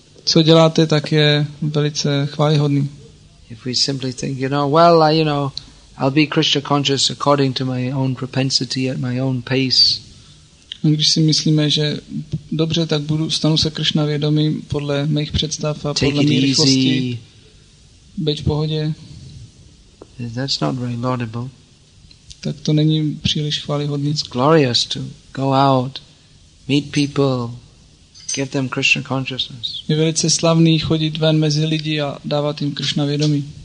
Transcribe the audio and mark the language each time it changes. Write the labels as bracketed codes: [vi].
[cs] Co děláte, tak je velice chvályhodný. [en] If we simply think, you know, well, I'll be Krishna conscious according to my own propensity at my own pace. [cs] A když si myslíme, že dobře, tak stanu se Krishna vědomý podle mých představ a podle mých rychlostí. Beď v pohodě. [en] That's not very laudable. [cs] Tak to není příliš chvályhodný. [en] It's glorious to go out, meet people, give them Krishna consciousness. [cs] Je velice slavný chodit ven mezi lidi a dávat jim Krishna vědomí.